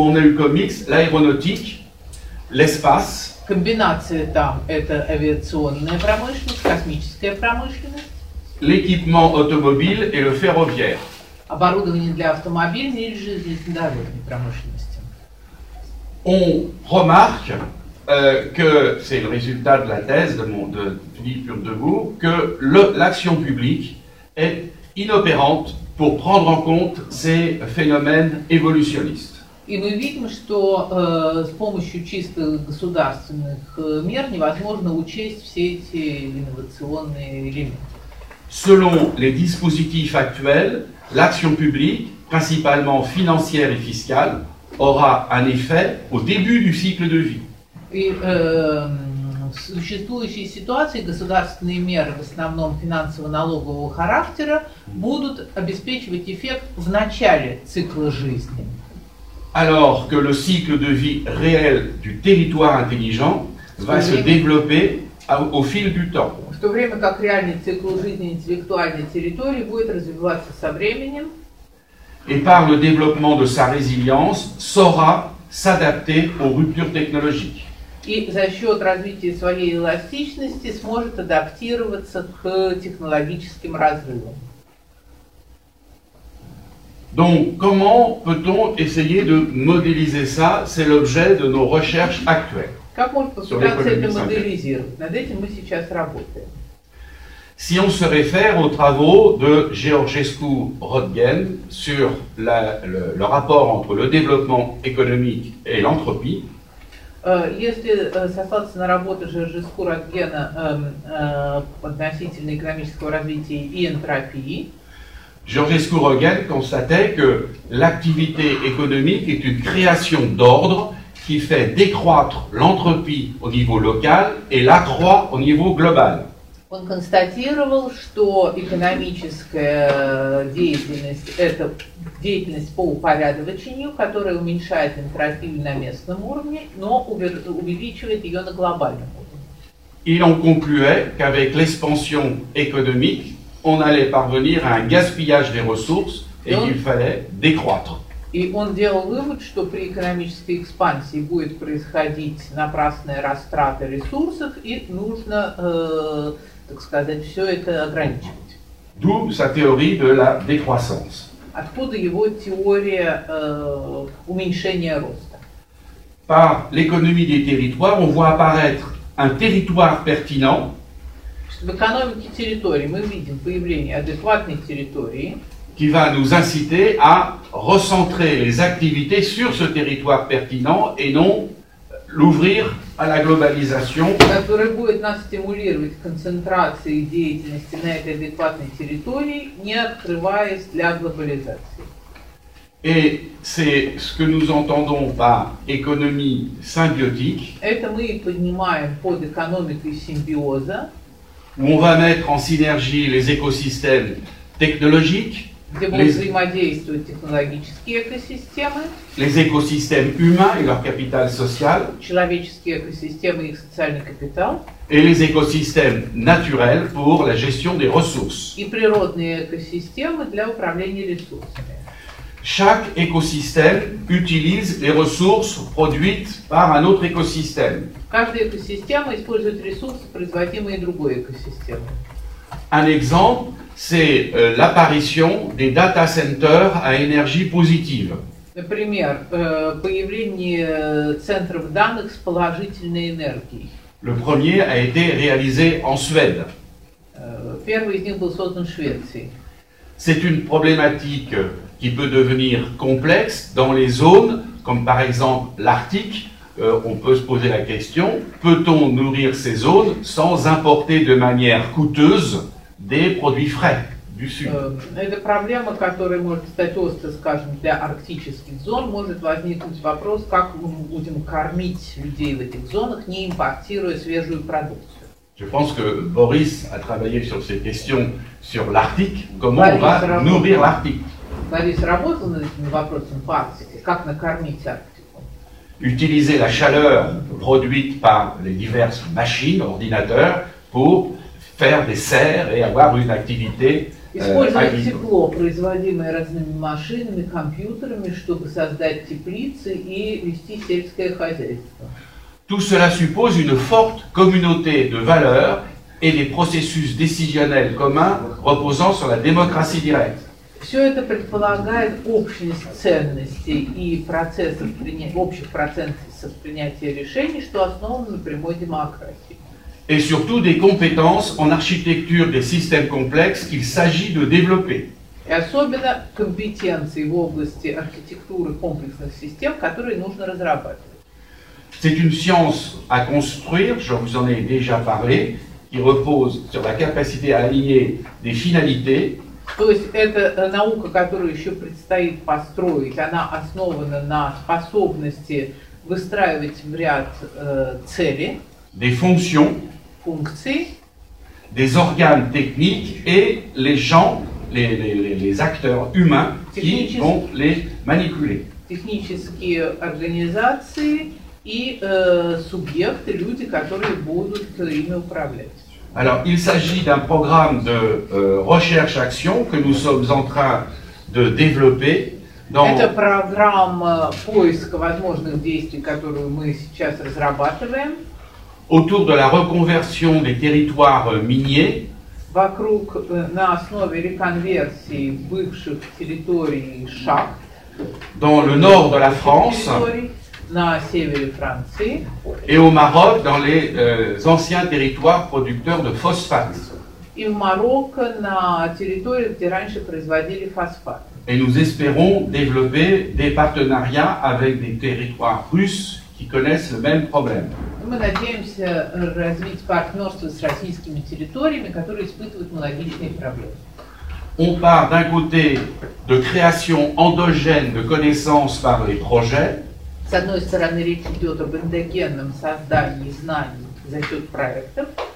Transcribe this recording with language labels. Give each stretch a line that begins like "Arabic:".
French: on a eu comme mix l'aéronautique, l'espace.
Russian: Комбинация там это авиационная промышленность, космическая промышленность.
French: L'équipement automobile et le ferroviaire.
Russian: Оборудование для автомобильной и железнодорожной промышленности.
French: On remarque que c'est le résultat de la thèse de Philippe Urdebourg que l'action publique est inopérante. Pour prendre en compte ces phénomènes évolutionnistes.
Russian: И мы видим, что с помощью чисто государственных мер невозможно учесть все эти инновационные элементы.
French: Selon les dispositifs actuels, l'action publique, principalement financière et fiscale, aura un effet au début du cycle de vie.
Russian: В существующей ситуации государственные меры, в основном финансово-налогового характера, будут обеспечивать эффект в начале цикла жизни.
French: Alors que le cycle de vie réel du territoire intelligent va se développer au fil du temps.
Russian: В то время как реальный цикл жизни интеллектуальной территории будет развиваться со временем.
French: Et par le développement de sa résilience, saura s'adapter aux ruptures technologiques.
Russian: И за счет развития своей эластичности сможет адаптироваться к технологическим разрывам.
French: Donc, comment peut-on essayer de modéliser ça? C'est l'objet de nos recherches actuelles.
Russian: Как можно попытаться это моделизировать? Над этим мы сейчас работаем.
French: Si on se réfère aux travaux de Georgescu Rodgen sur le rapport entre le développement économique et l'entropie.
Russian: Если сослаться на работу Жоржеску Родгена относительно экономического развития и энтропии,
French: Жоржеску Роген констатait que l'activité économique est une création d'ordre qui fait décroître l'entropie au niveau local et l'accroît au niveau global.
Russian: Он констатировал, что экономическая деятельность – это деятельность по упорядочению, которая уменьшает энтропию на местном уровне, но увеличивает ее на глобальном уровне.
French: Il en concluait qu'avec l'expansion économique, on allait parvenir à un gaspillage des ressources et qu'il fallait décroître.
Russian: И он делал вывод, что при экономической экспансии будет происходить напрасная растрата ресурсов, и нужно... так сказать, все это ограничивать.
French: D'où sa théorie de la décroissance.
Russian: Откуда его теория уменьшения роста?
French: Par l'économie des territoires, on voit apparaître un territoire pertinent.
Russian: В экономике территории мы видим появление адекватной территории.
French: Qui va nous inciter à recentrer les activités sur ce territoire pertinent et non l'ouvrir à la globalisation.
Russian: Который будет нас стимулировать к концентрации деятельности на этой адекватной территории, не открываясь для глобализации.
French: Et c'est ce que nous entendons par économie symbiotique.
Russian: Это мы поднимаем под экономикой симбиоза.
French: Où on va mettre en synergie les écosystèmes technologiques.
Russian: Где будут взаимодействовать технологические экосистемы,
French: les écosystèmes humains et leur capital social,
Russian: человеческие экосистемы и их социальный капитал,
French: et les écosystèmes naturels pour la gestion des ressources.
Russian: И природные экосистемы для управления ресурсами.
French: Chaque écosystème utilise les ressources produites par un autre écosystème.
Russian: Каждая экосистема использует ресурсы, производимые другой экосистемой.
French: Un exemple, c'est l'apparition des data centers à énergie positive.
Russian: Например, появление центров данных с положительной энергией.
French: Le premier a été réalisé en Suède.
Russian: Первый из них был создан в Швеции.
French: C'est une problématique qui peut devenir complexe dans les zones comme par exemple l'Arctique. On peut se poser la question, peut-on nourrir ces zones sans importer de manière coûteuse des produits frais du sud?
Russian: Это проблема, которая может стать острой, скажем, для арктических зон. Может возникнуть вопрос, как мы будем кормить людей в этих зонах, не импортируя свежую продукцию.
French: Je pense que Boris a travaillé sur ces questions sur l'Arctique. Comment Борис on va
Russian: работал.
French: Нourrir l'Arctique?
Russian: Борис работал над этим вопросом в Арктике. Как накормить Арктику?
French: Utiliser la chaleur produite par les diverses machines, ordinateurs, pour faire des serres et avoir une activité
Russian: Использовать тепло, производимое разными машинами, компьютерами, чтобы создать теплицы и вести сельское хозяйство.
French: Tout cela suppose une forte communauté de valeurs et des processus décisionnels communs reposant sur la démocratie directe.
Russian: Все это предполагает общность ценностей и процессов общих процессов принятия решений, что основано на прямой демократии.
French: Et surtout des compétences en architecture des systèmes complexes qu'il s'agit de développer.
Russian: И особенно компетенции в области архитектуры комплексных систем, которые нужно разрабатывать.
French: C'est une science à construire, je vous en ai déjà parlé, qui repose sur la capacité à allier des finalités.
Russian: То есть это наука, которую еще предстоит построить, она основана на способности выстраивать в ряд цели.
French: Des fonctions.
Russian: Функции.
French: Des organes techniques et les gens, les acteurs humains qui vont les manipuler.
Russian: Технические организации. И субъекты, люди, которые будут ими управлять.
French: Alors, il s'agit d'un programme de recherche-action que nous sommes en train de développer. Dans...
Russian: Это программа поиска возможных действий, которую мы сейчас разрабатываем.
French: Autour de la reconversion des territoires miniers.
Russian: Вокруг, на основе реконверсии бывших территорий шахт.
French: Dans le nord de la France.
Russian: На севере Франции.
French: Et au Maroc, dans les anciens territoires producteurs de phosphate.
Russian: И в Марокко, на территории, где раньше производили фосфат.
French: Et nous espérons développer des partenariats avec des territoires russes qui connaissent le même problème.
Russian: Мы надеемся развить партнерство с российскими территориями, которые испытывают аналогичные проблемы.
French: On part d'un côté de création endogène de connaissances par les projets.
Russian: С одной стороны, речь идет об эндогенном создании знаний за счет проектов.